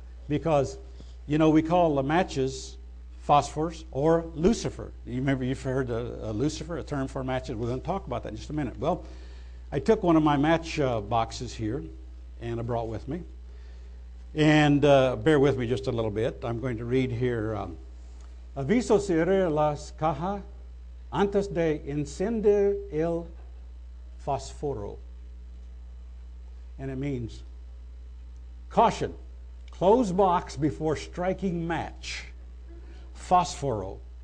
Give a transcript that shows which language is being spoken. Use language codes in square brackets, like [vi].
[en] Because, you know, we call the matches phosphorus or Lucifer. You remember you've heard a Lucifer, a term for matches. We're going to talk about that in just a minute. Well, I took one of my match boxes here, and I brought with me. And bear with me just a little bit. I'm going to read here. [es] Aviso cierre las cajas antes de encender el fósforo. [en] And it means, caution, close box before striking match. Fósforo.